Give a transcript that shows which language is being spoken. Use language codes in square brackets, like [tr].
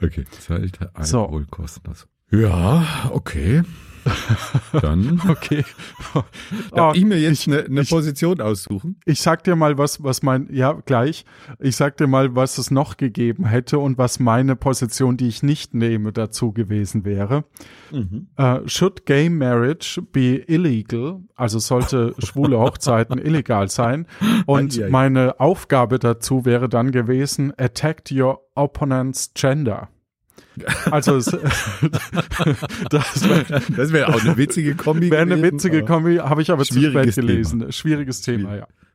[de] Okay, sollte Alkohol kostenlos. Ja, okay. Dann darf ich mir jetzt eine Position aussuchen. Ich sag dir mal, ich sag dir mal, was es noch gegeben hätte und was meine Position, die ich nicht nehme, dazu gewesen wäre. Mhm. [en] Should gay marriage be illegal? [de] Also sollte schwule Hochzeiten illegal sein? Und meine Aufgabe dazu wäre dann gewesen, [en] attack your opponent's gender. [de] Also, das wäre auch eine witzige Kombi. Wäre eine witzige Kombi, habe ich aber zu spät gelesen. Schwieriges Thema, ja.